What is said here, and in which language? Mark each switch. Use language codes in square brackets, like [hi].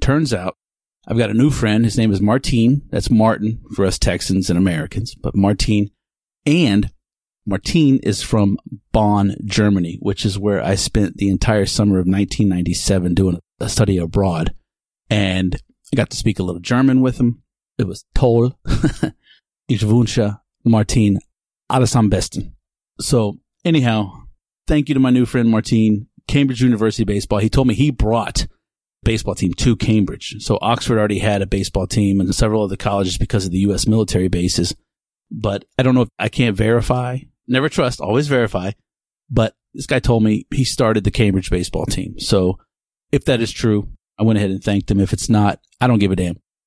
[en] Turns out I've got a new friend. His name is Martin. That's Martin for us Texans and Americans. But Martin, and Martin is from Bonn, Germany, which is where I spent the entire summer of 1997 doing a study abroad. And I got to speak a little German with him. It was toll. [de] Ich wünsche Martin alles am besten. [en] So anyhow, thank you to my new friend Martin, Cambridge University Baseball. He told me he brought baseball team to Cambridge. So Oxford already had a baseball team and several other colleges because of the U.S. military bases. But I don't know if I can't verify. Never trust, always verify. But this guy told me he started the Cambridge baseball team. So if that is true, I went ahead and thanked him. If it's not, I don't give a damn.